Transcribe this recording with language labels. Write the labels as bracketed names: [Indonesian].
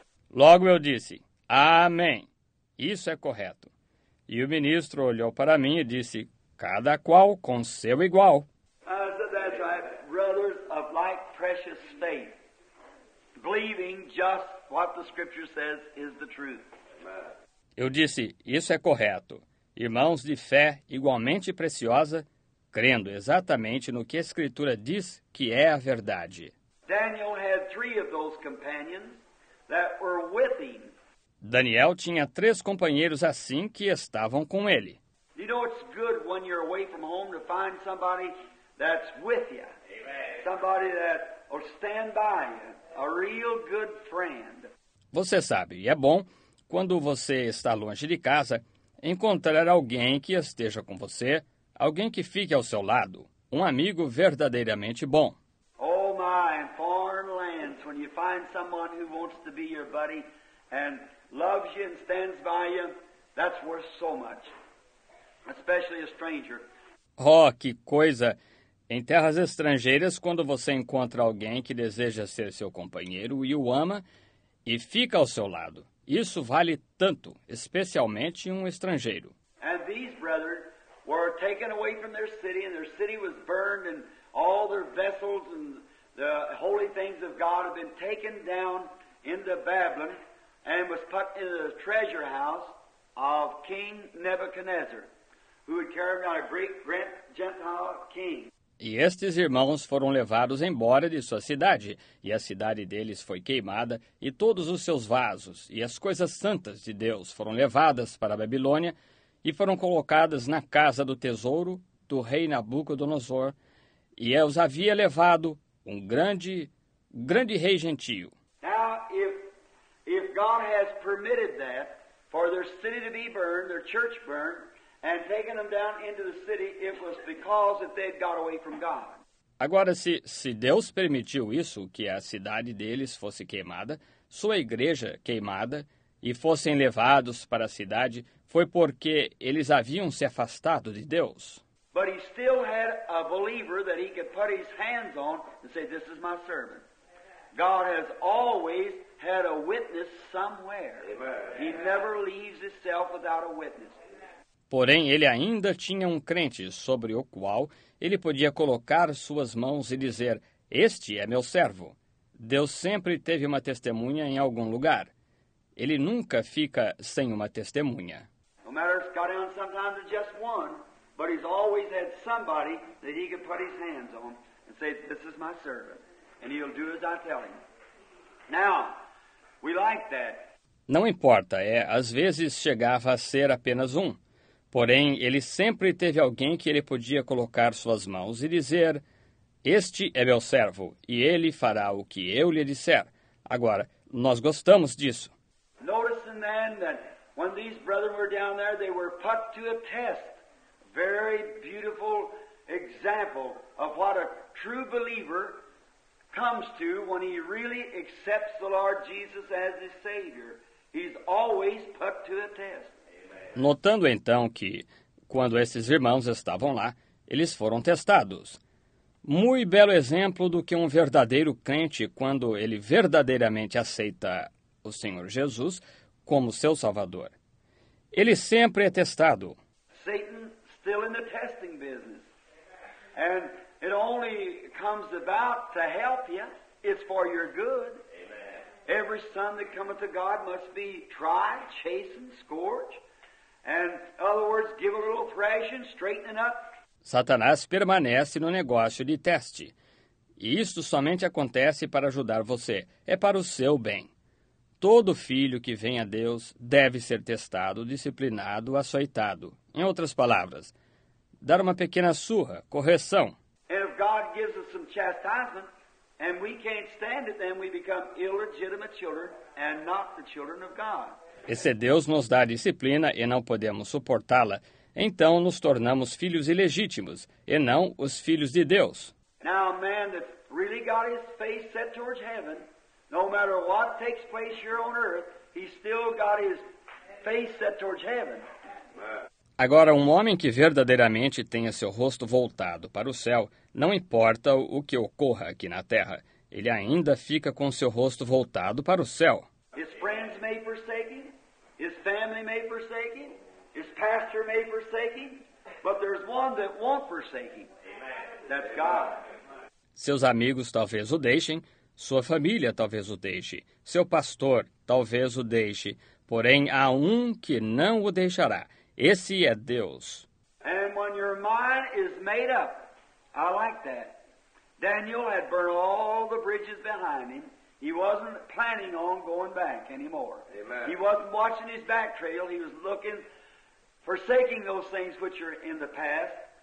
[Portuguese] Logo eu disse, "Amém, isso é correto." E o ministro olhou para mim e disse, "Cada qual com seu igual." [English] I said, "That's right, brothers of like precious faith, believing just what the scripture says is the truth." [Portuguese] Eu disse, isso é correto. Irmãos de fé igualmente preciosa, crendo exatamente no que a escritura diz que é a verdade. [English] Daniel had three of those companions that were with him. [Portuguese] Daniel tinha três companheiros assim que estavam com ele. [English] You know, it's good when you're away from home to find somebody that's with you. Amen. Somebody that will stand by you. A real good friend. [Portuguese] Você sabe, é bom quando você está longe de casa, encontrar alguém que esteja com você, alguém que fique ao seu lado, um amigo verdadeiramente bom. [English] Oh, my, in foreign lands, when you find someone who wants to be your buddy and loves you and stands by you, that's worth so much, especially a stranger. [Portuguese] Oh, que coisa! Em terras estrangeiras, quando você encontra alguém que deseja ser seu companheiro e o ama e fica ao seu lado, isso vale tanto, especialmente um estrangeiro. [English] And these brethren were taken away from their city, and their city was burned, and all their vessels and the holy things of God have been taken down into Babylon and was put in the treasure house of King Nebuchadnezzar, who had carried on a great Gentile king. [Portuguese] E estes irmãos foram levados embora de sua cidade, e a cidade deles foi queimada, e todos os seus vasos e as coisas santas de Deus foram levadas para a Babilônia e foram colocadas na casa do tesouro do rei Nabucodonosor, e os havia levado um grande, grande rei gentio. [English] Now, if God has permitted that, for their city to be burned, their church burned, and taking them down into the city, it was because that they had got away from God. [Portuguese] Agora, se Deus permitiu isso, que a cidade deles fosse queimada, sua igreja queimada, e fossem levados para a cidade, foi porque eles haviam se afastado de Deus. [English] But he still had a believer that he could put his hands on and say, this is my servant. God has always had a witness somewhere. Amen. He never leaves himself without a witness. [Portuguese] Porém, ele ainda tinha um crente sobre o qual ele podia colocar suas mãos e dizer, este é meu servo. Deus sempre teve uma testemunha em algum lugar. Ele nunca fica sem uma testemunha. [English] No matter if God is sometimes just one, but he's always had somebody that he could put his hands on and say, this is my servant, and he'll do as I tell him. Now, we like that. [Portuguese] Não importa, às vezes chegava a ser apenas um. Porém, ele sempre teve alguém que ele podia colocar suas mãos e dizer, este é meu servo, e ele fará o que eu lhe disser. Agora, nós gostamos disso. [English] Noticing then that when these brethren were down there, they were put to a test. Very beautiful example of what a true believer comes to when he really accepts the Lord Jesus as his Savior. He's always put to a test. [Portuguese] Notando então que, quando esses irmãos estavam lá, eles foram testados. Muito belo exemplo do que um verdadeiro crente, quando ele verdadeiramente aceita o Senhor Jesus como seu Salvador. Ele sempre é testado. [English] Satan still in the testing business. And it only comes about to help you. It's for your good. Amen. Every son that cometh to God must be tried, chastened, scourged. And in other words, give a little thrashing, straighten up. [Portuguese] Satanás permanece no negócio de teste. E isto somente acontece para ajudar você. É para o seu bem. Todo filho que vem a Deus deve ser testado, disciplinado, açoitado. Em outras palavras, dar uma pequena surra, correção. [English] And if God gives us some chastisement and we can't stand it, then we become illegitimate children and not the children of God. [Portuguese] E se Deus nos dá disciplina e não podemos suportá-la, então nos tornamos filhos ilegítimos e não os filhos de Deus. [English] Now a man that really got his face set towards heaven, no matter what takes place here on earth, he still got his face set towards heaven. [Portuguese] Agora, um homem que verdadeiramente tenha seu rosto voltado para o céu, não importa o que ocorra aqui na terra, ele ainda fica com seu rosto voltado para o céu. [English] His friends may forsake him, his family may forsake him, his pastor may forsake him, but there's one that won't forsake him. That's God. [Portuguese] Seus amigos talvez o deixem, sua família talvez o deixe, seu pastor talvez o deixe, porém há um que não o deixará. Esse é Deus. [English] And when your mind is made up, I like that. Daniel had burned all the bridges behind him. He wasn't planning on going back anymore. Amen. He wasn't watching his back trail. He was looking, forsaking those things which are in the past.